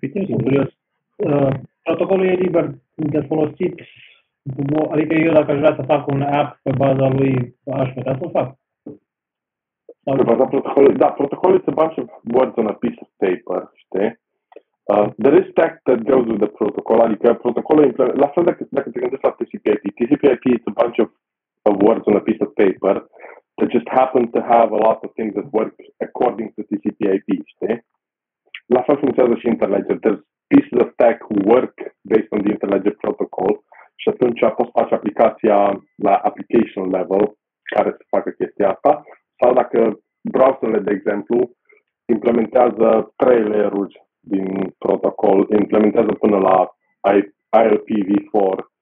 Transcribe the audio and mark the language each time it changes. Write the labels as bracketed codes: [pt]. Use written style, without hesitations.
[ro] Curios. Protocolul e liber de folosit. Adică eu dacă aș vrea să fac un app pe baza lui, aș putea să o fac? Sau? Pe baza protocolului? Da, protocolul se bagă [en] words on a piece of paper, știi? The respect that goes with the protocol, [ro] adică protocolul implementat, la fel dacă te gândești la [en] TCP/IP, TCP/IP is a bunch of words on a piece of paper that just happen to have a lot of things that work according to TCP/IP, știi? [ro] La fel funcționează și Interledger, [en] there's pieces of tech work based on the Interledger protocol [ro] și atunci poți face aplicația la application level care să facă chestia asta, sau dacă browserele, de exemplu, implementează trei layer-uri din protocol, implementează până la IPv4